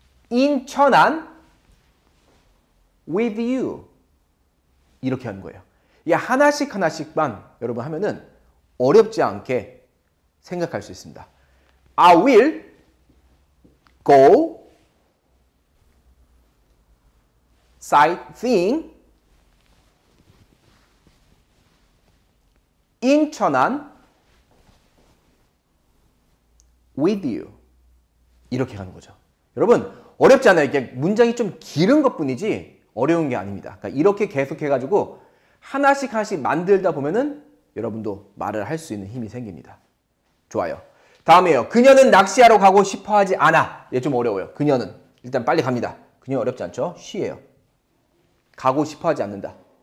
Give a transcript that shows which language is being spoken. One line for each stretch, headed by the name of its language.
English: 인천안 with you.
Korean: 이렇게 하는 거예요. 이게 하나씩 하나씩만 여러분 하면은 어렵지 않게 생각할 수 있습니다.
English: I will go sightseeing 인천안 with you.
Korean: 이렇게 가는 거죠. 여러분, 어렵지 않아요. 이게 문장이 좀 길은 것 뿐이지 어려운 게 아닙니다. 그러니까 이렇게 계속해가지고 하나씩 하나씩 만들다 보면은 여러분도 말을 할 수 있는 힘이 생깁니다. 좋아요. 다음이에요. 그녀는 낚시하러 가고 싶어 하지 않아. 얘 좀 어려워요. 그녀는. 일단 빨리 갑니다. 그녀 어렵지 않죠? 쉬에요. 가고 싶어 하지 않는다.